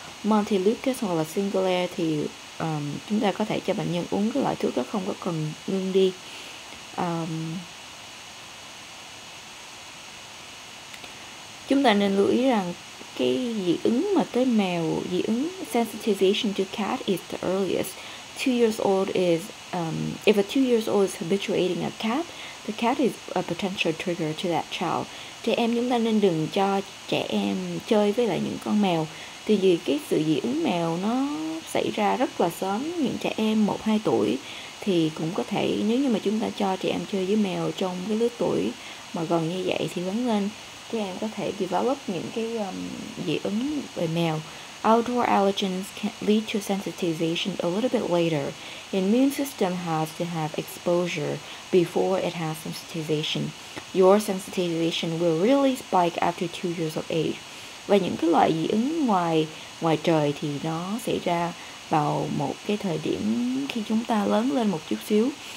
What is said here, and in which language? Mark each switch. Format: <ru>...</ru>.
<vi>Multi-lucas hoặc là single layer thì chúng ta có thể cho bệnh nhân uống cái loại thuốc đó, không có cần ngưng đi. Chúng ta nên lưu ý rằng cái dị ứng mà tới mèo, dị ứng</vi> <en>sensitization to cat is the earliest. 2 years old is if a 2 years old is habituating a cat, the cat is a potential trigger to that child.</en> <vi>Trẻ em chúng ta nên đừng cho trẻ em chơi với lại những con mèo. Tại vì cái sự dị ứng mèo nó xảy ra rất là sớm, những trẻ em 1-2 tuổi thì cũng có thể, nếu như mà chúng ta cho trẻ em chơi với mèo trong cái lứa tuổi mà gần như vậy thì lớn lên trẻ em có thể develop những cái dị ứng về mèo.</vi> <en>Outdoor allergens can lead to sensitization a little bit later. Immune system has to have exposure before it has sensitization. Your sensitization will really spike after 2 years of age.</en> <vi>Và những cái loại dị ứng ngoài trời thì nó xảy ra vào một cái thời điểm khi chúng ta lớn lên một chút xíu.</vi>